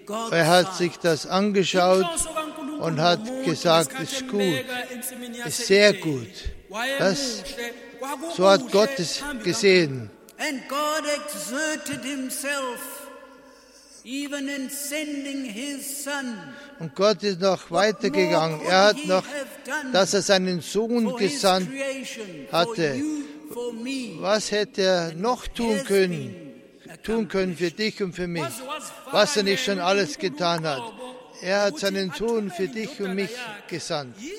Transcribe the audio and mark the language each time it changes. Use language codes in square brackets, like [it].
[de] Er hat sich das angeschaut und hat gesagt, es ist gut, ist sehr gut. Das, so hat Gott es gesehen. [en] And God exerted himself even in sending his son. [de] Und Gott ist noch weitergegangen. Er hat noch, dass er seinen Sohn gesandt hatte. Was hätte er noch tun können für dich und für mich? Was er nicht schon alles getan hat. Er hat seinen Sohn für dich und mich gesandt.